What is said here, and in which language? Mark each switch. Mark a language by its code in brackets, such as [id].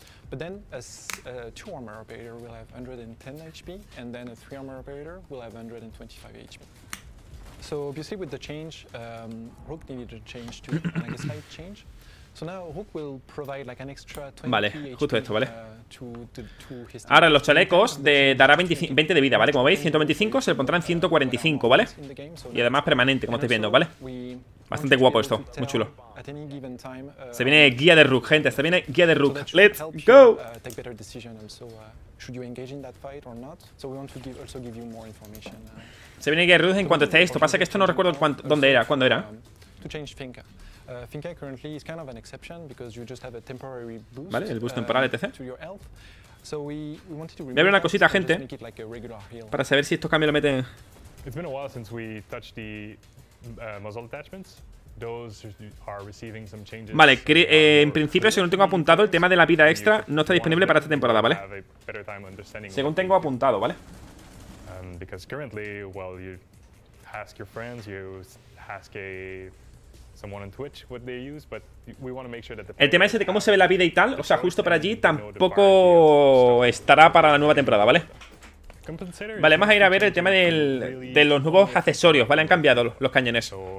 [en] But then a 2 armor operator will have 110 HP, and then a 3 armor operator will have 125 HP. So obviously with the change, Rook needed a change to like a slight change. So now Rook will provide like an extra 20 [es] vale, [en] HP [es] justo esto, vale. [en] To his... [es] Ahora los chalecos de dará 20 de vida, ¿vale? Como veis, 125 se le pondrán 145, ¿vale? Y además permanente, como estáis viendo, ¿vale? Bastante guapo esto, muy chulo. Se viene guía de Rook, gente. Se viene guía de Rook. [en] ¡Let's go! Take better decision also, should you engage in that fight or not? So we want to give, also give you more information. [es] Se viene guía de Rook en cuanto esté esto. Pasa que esto no recuerdo dónde era, cuándo era. [en] To change Finca. Finca currently is kind of an exception because you just have a temporary boost. [es] Vale, el boost temporal etc. Voy a ver una cosita, gente, para saber si estos cambios lo meten. [en] It's been a while since we touched the muzzle attachments. Those are receiving some changes. [es] Vale, en principio, según tengo apuntado, el tema de la vida extra no está disponible para esta temporada, ¿vale? Según tengo apuntado, ¿vale? [en] Because currently, well, you ask your friends, you ask someone on Twitch what they use, but we want to make sure that the... [es] El tema ese de cómo se ve la vida y tal, o sea, justo para allí tampoco estará para la nueva temporada, ¿vale? Vale, vamos a ir a ver el tema de los nuevos accesorios, ¿vale? Han cambiado los cañones.